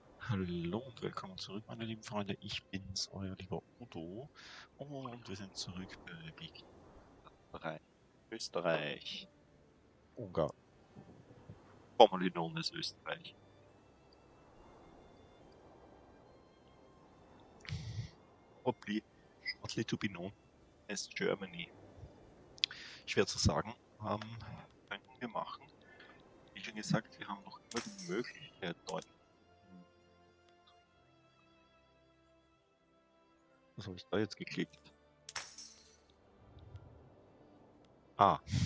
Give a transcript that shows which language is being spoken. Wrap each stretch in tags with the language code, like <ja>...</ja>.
<de>Hallo und willkommen zurück, meine lieben Freunde. Ich bin's, euer lieber Udo. Und wir sind zurück bei Big 3. Österreich. Ungarn.</de> <en>Formerly known as Österreich. Probably shortly to be known as Germany.</en> <de>Schwer zu sagen. Könnten wir machen. Wie schon gesagt, wir haben noch immer die Möglichkeit, dort. Was habe ich da jetzt geklickt? Ah.</de>